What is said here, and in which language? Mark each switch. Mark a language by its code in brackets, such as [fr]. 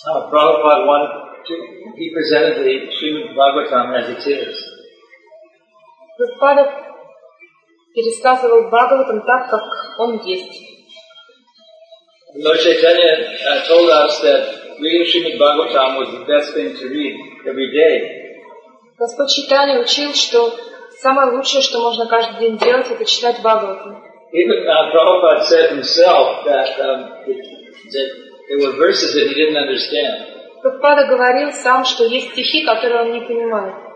[en] Prabhupada wanted to, he presented the Srimad Bhagavatam as it is. [ru] Prabhupada пересказывал Бхагаватам так, как он есть. [en] Lord Chaitanya told us that reading Srimad Bhagavatam was the best thing to read every day. [ru] Господь Чайтанья учил, что самое лучшее, что можно каждый день делать, это читать Бхагаватам. [en] Even Prabhupada said himself that there were verses that he didn't understand. [ru] Прабхупада говорил сам, что есть стихи, которые он не понимает.